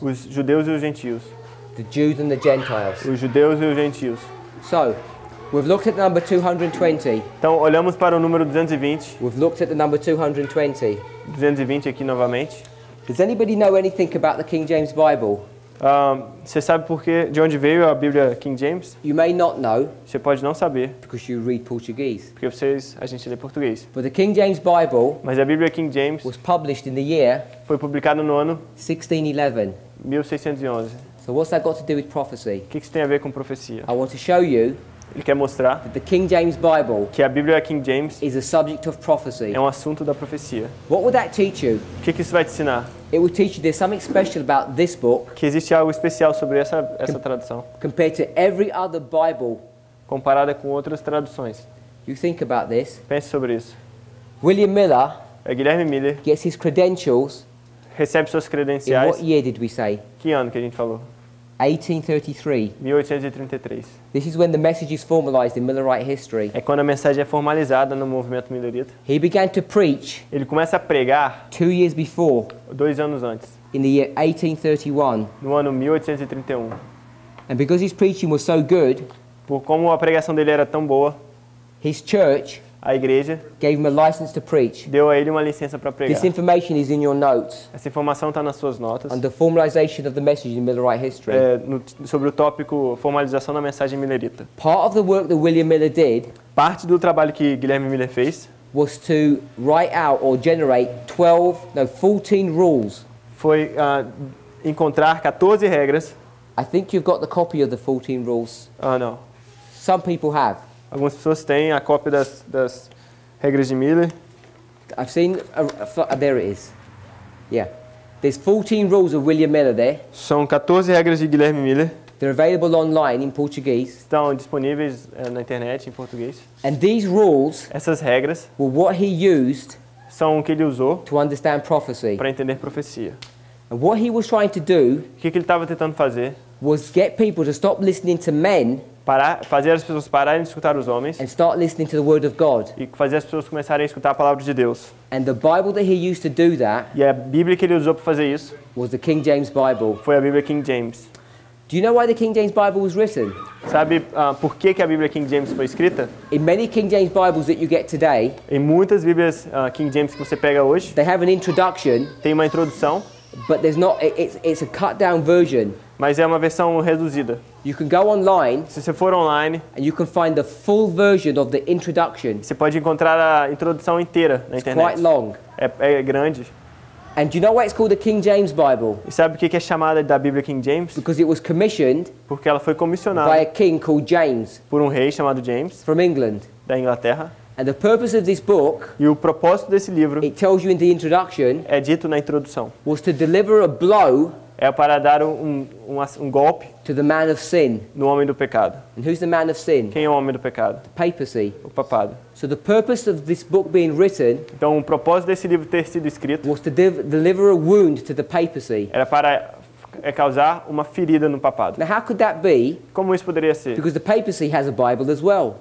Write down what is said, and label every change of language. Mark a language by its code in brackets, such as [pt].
[pt] Os judeus e os gentios. [en] The Jews and the Gentiles. [pt] Os judeus e os gentios. [en] So, we've looked at the number 220. [pt] Então, olhamos para o número 220. [en] We've looked at the number 220. [pt] 220 aqui novamente. [en] Does anybody know anything about the King James Bible? [pt] Você sabe por que, de onde veio a Bíblia King James? [en] You may not know. [pt] Você pode não saber. [en] Because you read Portuguese. [pt] Porque vocês, a gente lê português. [en] But the King James Bible. [pt] Mas a Bíblia King James. [en] Was published in the year. [pt] Foi publicada no ano. [en] 1611. [pt] 1611. [en] So what's that got to do with prophecy? [pt] O que isso tem a ver com profecia? [en] I want to show you. [pt] Ele quer mostrar. [en] That the King James Bible. [pt] Que a Bíblia King James. [en] Is a subject of prophecy. [pt] É assunto da profecia. [en] What would that teach you? [pt] O que isso vai te ensinar? [en] It will teach you there's something special about this book. [pt] Que existe algo especial sobre essa tradução. [en] Compared to every other Bible. [pt] Comparada com outras traduções. [en] You think about this. [pt] Pense sobre isso. [en] William Miller. [pt] É Guilherme Miller. [en] Gets his credentials. [pt] Recebe suas credenciais. [en] In what year did we say? [pt] Que ano que a gente falou? [en] 1833. [pt] 1833. [en] This is when the message is formalized in Millerite history. [pt] É quando a mensagem é formalizada no movimento millerita. [en] He began to preach. [pt] Ele começa a pregar. [en] 2 years before. [pt] 2 anos antes. [en] In the year 1831. [pt] No ano 1831. [en] And because his preaching was so good. [pt] Por como a pregação dele era tão boa. [en] His church. [pt] A igreja. [en] Gave him a license to preach. [pt] Deu a ele uma licença para pregar. [en] This information is in your notes. [pt] Essa informação está nas suas notas. [en] Under formalization of the message in Millerite history. [pt] Sobre o tópico formalização da mensagem millerita. [en] Part of the work that William Miller did. [pt] Parte do trabalho que Guilherme Miller fez. [en] Was to write out or generate 14 rules. [pt] Foi encontrar 14 regras. [en] I think you've got the copy of the 14 rules. No. Some people have. [pt] Algumas pessoas têm a cópia das regras de Miller. [en] I've seen there it is. Yeah. There's 14 rules of William Miller there. [pt] São 14 regras de Guilherme Miller. [en] They're available online in Portuguese. [pt] Estão disponíveis na internet em português. [en] And these rules. [pt] Essas regras. [en] Were what he used. [pt] São o que ele usou. [en] To understand prophecy. [pt] Para entender profecia. [en] And what he was trying to do. [pt] O que ele estava tentando fazer. [en] Was get people to stop listening to men. [pt] Fazer as pessoas pararem de escutar os homens. [en] And start listening to the word of God. [pt] E fazer as pessoas começarem a escutar a palavra de Deus. [en] And the Bible that he used to do that. [pt] E a Bíblia que ele usou para fazer isso. [en] Was the King James Bible. [pt] Foi a Bíblia King James. [en] Do you know why the King James Bible was written? [pt] Sabe por que a Bíblia King James foi escrita? [en] In many King James Bibles that you get today. [pt] Em muitas Bíblias King James que você pega hoje. [en] They have an introduction. [pt] Tem uma introdução. [en] But there's not. It's a cut down version. [pt] Mas é uma versão reduzida. [en] You can go online. [pt] Se você for online, [en] and you can find the full version of the introduction. [pt] Você pode encontrar a introdução inteira na [en] it's [pt] internet. [en] Quite long. [pt] É grande. [en] And do you know why it's called the King James Bible? [pt] E sabe o que é chamada da Bíblia King James? [en] Because it was commissioned. [pt] Porque ela foi comissionada. [en] By a king called James. [pt] Por rei chamado James. [en] From England. [pt] Da Inglaterra. [en] And the purpose of this book. [pt] E o propósito desse livro. [en] It tells you in the introduction. [pt] É dito na introdução. [en] Was to deliver a blow. [pt] É para dar um golpe [en] to the man of sin. [pt] No homem do pecado. [en] And who's the man of sin? [pt] Quem é o homem do pecado? [en] The papacy. [pt] O papado. [en] So the purpose of this book being written. [pt] Então o propósito desse livro ter sido escrito. [en] Was to deliver a wound to the papacy. [pt] Era para é causar uma ferida no papado. [en] Now, how could that be? [pt] Como isso poderia ser? [en] Because the papacy has a Bible as well.